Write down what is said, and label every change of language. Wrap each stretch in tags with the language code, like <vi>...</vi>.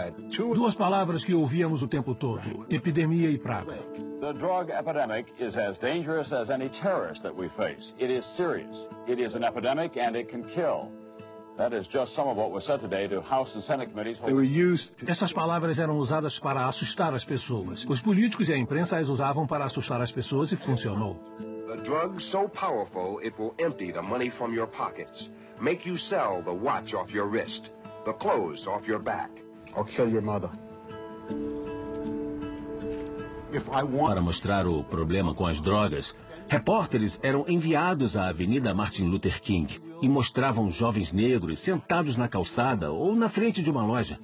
<pt>Duas palavras que ouvíamos o tempo todo, epidemia e praga.</pt> <en>The drug epidemic is as dangerous as any terrorist that we face. It is serious. It is an epidemic and it can kill. That is just some of what was said today to House and Senate committees. They were used.</en> <pt>Essas palavras eram usadas para assustar as pessoas. Os políticos e a imprensa as usavam para assustar as pessoas e funcionou.</pt> <en>The drug so powerful it will empty the money from your pockets. Make you sell the watch off your wrist, the clothes off your back. I'll kill your mother.</en> <pt>Para mostrar o problema com as drogas, repórteres eram enviados à Avenida Martin Luther King e mostravam jovens negros sentados na calçada ou na frente de uma loja.</pt>